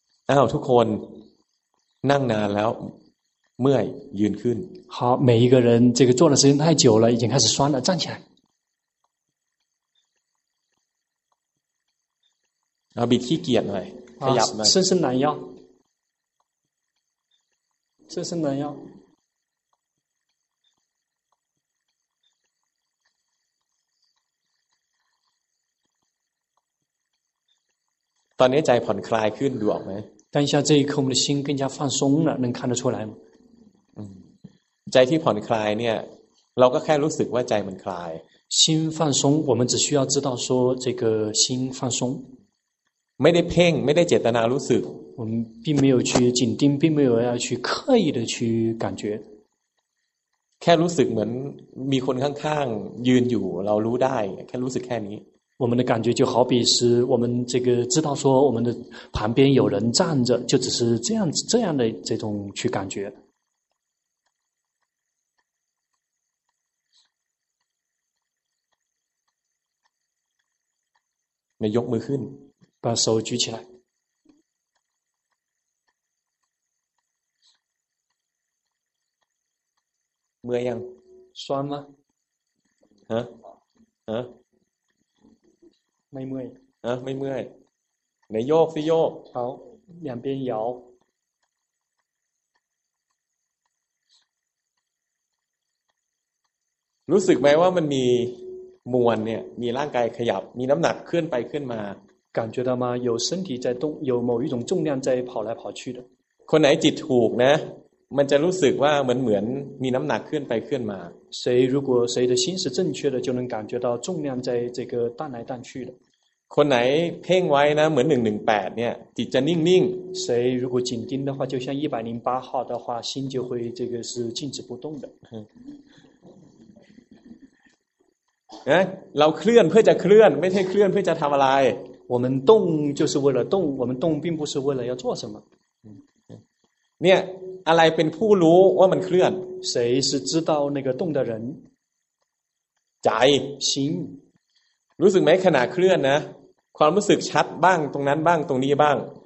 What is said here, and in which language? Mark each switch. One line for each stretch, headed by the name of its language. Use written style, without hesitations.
Thai: อ้าวทุกคนนั่งนานแล้วเมื่อยยืนขึ้น
Chinese: 好每一个人这个坐的时间太久了已经开始酸了站起来
Thai: เอาบิดขี้เกียจหน่อยขยับหน่อย
Chinese: 伸伸懒腰伸伸懒腰
Thai: ตอนนี้ใจผ่อนคลายขึ้นดูออกไหม
Chinese: 当下这一刻我们的心更加放松了能看得出来吗
Thai: ใจที่ผ่อนคลายเนี่ยเราก็แค่รู้สึกว่าใจมันคลาย
Chinese: 心放松我们只需要知道说这个心放松
Thai: ไม่ได้เพ่งไม่ได้เจตนารู้สึก
Chinese: 我们并没有去紧盯并没有要去刻意的去感觉
Thai: แค่รู้สึกเหมือนมีคนข้างๆยืนอยู่เรารู้ได้แค่รู้สึกแค่นี้
Chinese: 我们的感觉就好比是我们这个知道说我们的旁边有人站着就只是这样子这样的这种去感觉
Thai: ไม่ยกมือขึ้น
Chinese: 把手举起来
Thai: เมื่อยยัง
Chinese: 酸吗 ฮะ
Thai: ไม่เมื่อย ฮะไม่เมื่อยไหนโยกสิโยก
Chinese: 好两边摇
Thai: รู้สึกไหมว่ามันมีมวลเนี่ยมีร่างกายขยับมีน้ำหนักเคลื่อนไปเคลื่อนมา
Chinese: 感觉到吗有身体在动有某一种重量在跑来跑去的
Thai: คนไหนจิตถูกนะ มันจะรู้สึกว่าเหมือนมีน้ำหนักเคลื่อนไปเคลื่อนมา
Chinese: 谁如果谁的心是正确的就能感觉到重量在这个荡来荡去的
Thai: คนไหนเพ่งไว้นะเหมือน118เนี่ยจิตจะนิ่งนิ่ง
Chinese: 谁如果紧盯的话就像108号的话心就会这个是静止不动的
Thai: เราเคลื่อนเพื่อจะเคลื่อนไม่ใช่เคลื่อนเพื่อจะทำอะไร
Chinese: 我们动就是为了动我们动并不是为了要做什么
Thai: เนี่ยอะไรเป็นผู้รู้ว่ามันเคลื่อน
Chinese: 谁是知道那个动的人
Thai: ใจ
Chinese: 心
Thai: รู้สึกไหมขณะเคลื่อนนะความรู้สึกชัดบ้างตรงนั้นบ้างตรงนี้บ้าง